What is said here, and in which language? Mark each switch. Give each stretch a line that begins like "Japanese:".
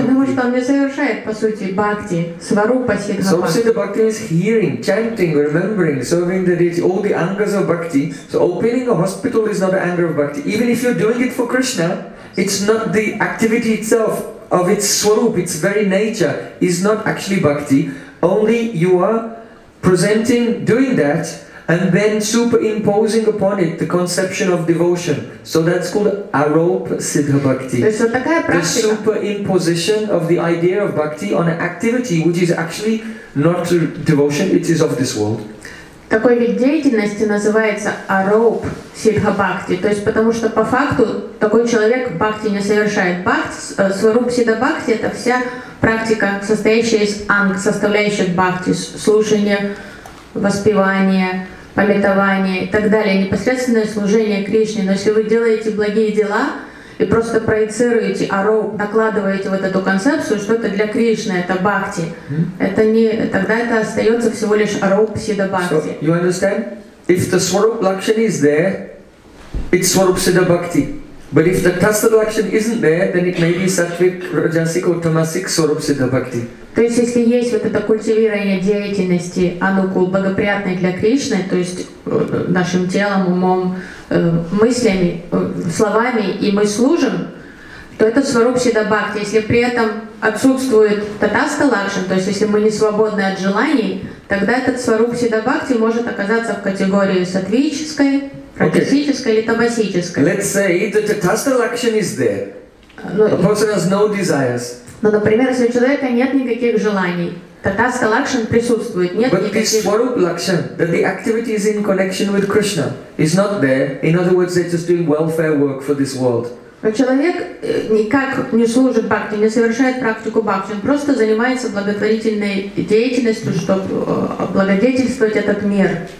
Russian: Потому что он не совершает, по сути, бхакти, сварупа сиддха бхакти.
English: Swarup siddha bhakti is hearing, chanting, remembering, serving the deity, all the angas of bhakti. So opening a hospital is not an anger of bhakti. Even if you're doing it for Krishna, it's not the activity itself of its swarup, its very nature, is not actually bhakti. Only you are presenting, doing that, and then superimposing upon it the conception of devotion. So that's called arop siddha bhakti. The superimposition of the idea of bhakti on an activity which is actually not devotion, it is of this world.
Russian: Такой вид деятельности называется ароп сиддха бхакти. То есть потому что по факту такой человек бхакти не совершает. Сваруп сиддха бхакти — это вся практика, состоящая из анг, составляющих бхакти, слушание, воспевание, памятование и так далее, непосредственное служение Кришне. Но если вы делаете благие дела и просто проецируете, накладываете вот эту концепцию, что это для Кришны, это бхакти, это не, тогда это остается всего лишь ароп сиддха бхакти.
English: So, you understand? If the swarup lakshani is there, it's swarup siddha bhakti. But if the tasad lakshani isn't there, then it may be sattvic, rajasic or tamasic swarup siddha bhakti.
Russian: То есть, если есть вот это культивирование деятельности анукул, благоприятной для Кришны, то есть нашим телом, умом, мыслями, словами, и мы служим, то это сваруп сиддха бхакти. Если при этом отсутствует татаста лакшан, то есть если мы не свободны от желаний, тогда этот сваруп сиддха бхакти может оказаться в категории сатвической, практической или тамасической.
English: Let's say that the татаста лакшан is there. A person has no desires.
Russian: Но, например, если у человека нет никаких желаний, татаска лакшан присутствует, нет
English: but
Russian: никаких...
English: But this swarup lakshan, that the activity is in connection with Krishna, is not there. In other words, they're just doing welfare work for this world.
Russian: Но человек никак не служит бхакти, не совершает практику бхакти, он просто занимается благотворительной деятельностью, чтобы благодетельствовать этот мир.